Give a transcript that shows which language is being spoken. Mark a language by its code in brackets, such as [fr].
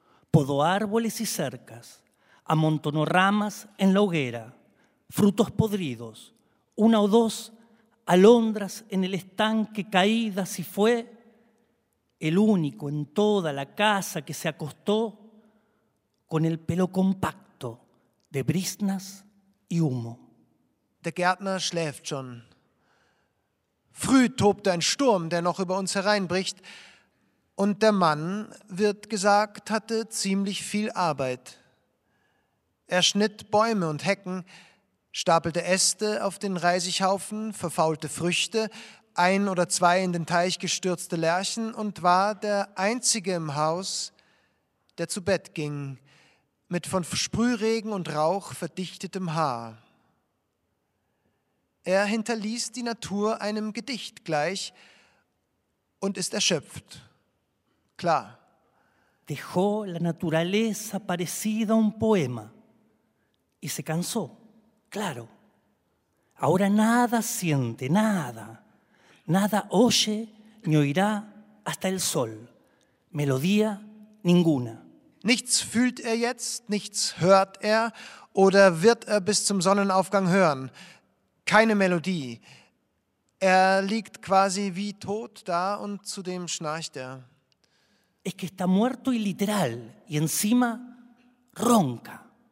[es] Podó árboles y cercas, amontonó ramas en la hoguera, frutos podridos, una o dos alondras en el estanque caídas y fue el único en toda la casa que se acostó con el pelo compacto de briznas y humo. [de] Der Gärtner schläft schon. Früh tobte ein Sturm, der noch über uns hereinbricht. Und der Mann, wird gesagt, hatte ziemlich viel Arbeit. Er schnitt Bäume und Hecken, stapelte Äste auf den Reisighaufen, verfaulte Früchte, ein oder zwei in den Teich gestürzte Lerchen und war der Einzige im Haus, der zu Bett ging, mit von Sprühregen und Rauch verdichtetem Haar. Er hinterließ die Natur einem Gedicht gleich und ist erschöpft. Klar. [es] Dejó la naturaleza parecida a un poema y se cansó, claro. Ahora nada siente, nada, nada oye ni oirá hasta el sol, melodía ninguna. [de] Nichts fühlt er jetzt, nichts hört er oder wird er bis zum Sonnenaufgang hören. Keine Melodie. Er liegt quasi wie tot da und zudem schnarcht er. [es] Es que está muerto y literal, y encima ronca.